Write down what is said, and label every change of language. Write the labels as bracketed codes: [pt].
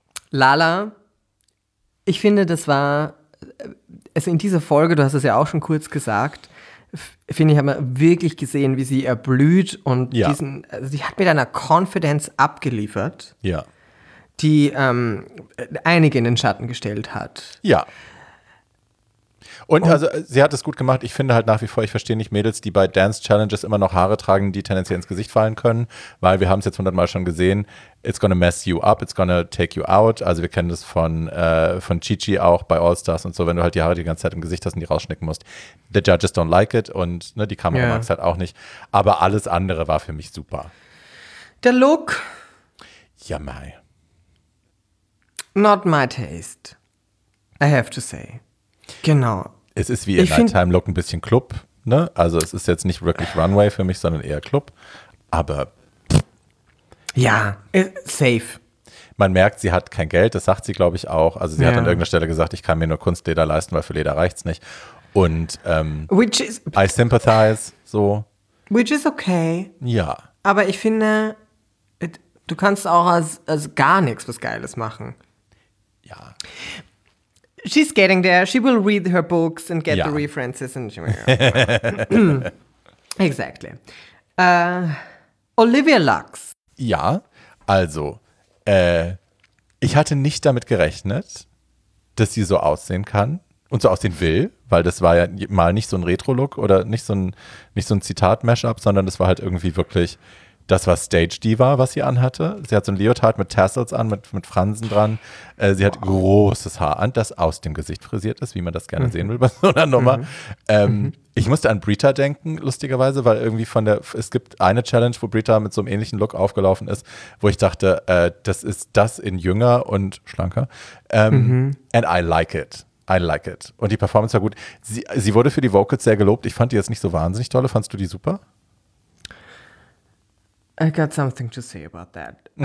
[de] Lala, ich finde, das war, also in dieser Folge, du hast es ja auch schon kurz gesagt, finde ich, haben wir wirklich gesehen, wie sie erblüht und diesen, also sie hat mit einer Confidence abgeliefert, die einige in den Schatten gestellt hat. Ja. Und also, sie hat es gut gemacht. Ich finde halt nach wie vor, ich verstehe nicht Mädels, die bei Dance Challenges immer noch Haare tragen, die tendenziell ins Gesicht fallen können, weil wir haben es jetzt 100 Mal schon gesehen. [en] It's gonna mess you up, it's gonna take you out. [de] Also wir kennen das von Chi-Chi auch bei All Stars und so, wenn du halt die Haare die ganze Zeit im Gesicht hast und die rausschnicken musst. [en] The judges don't like it [de] und ne, die Kamera mag es halt auch nicht. Aber alles andere war für mich super. Der Look? Ja, mei. [en] Not my taste, I have to say. [de] Genau. Es ist wie ihr Nighttime-Look ein bisschen Club, ne? Also es ist jetzt nicht wirklich Runway für mich, sondern eher Club. Aber ja, safe. Man merkt, sie hat kein Geld, das sagt sie, glaube ich, auch. Also sie hat an irgendeiner Stelle gesagt, ich kann mir nur Kunstleder leisten, weil für Leder reicht's nicht. Und [en] I sympathize, so. Which is okay. [de] Ja. Aber ich finde, du kannst auch als gar nichts was Geiles machen. Ja. [en] She's getting there. She will read her books and get the references. And exactly. Olivia Lux. [de] Ja, also, ich hatte nicht damit gerechnet, dass sie so aussehen kann und so aussehen will, weil das war ja mal nicht so ein Retro-Look oder nicht so ein Zitat-Mashup, sondern das war halt irgendwie wirklich, das war Stage-Diva, was sie anhatte. Sie hat so ein Leotard mit Tassels an, mit Fransen dran. Sie hat großes Haar an, das aus dem Gesicht frisiert ist, wie man das gerne sehen will bei so einer Nummer. Ich musste an Britta denken, lustigerweise, weil irgendwie es gibt eine Challenge, wo Britta mit so einem ähnlichen Look aufgelaufen ist, wo ich dachte, das ist das in jünger und schlanker. [en] And I like it. I like it. [de] Und die Performance war gut. Sie wurde für die Vocals sehr gelobt. Ich fand die jetzt nicht so wahnsinnig tolle. Fandst du die super? [en] I got something to say about that.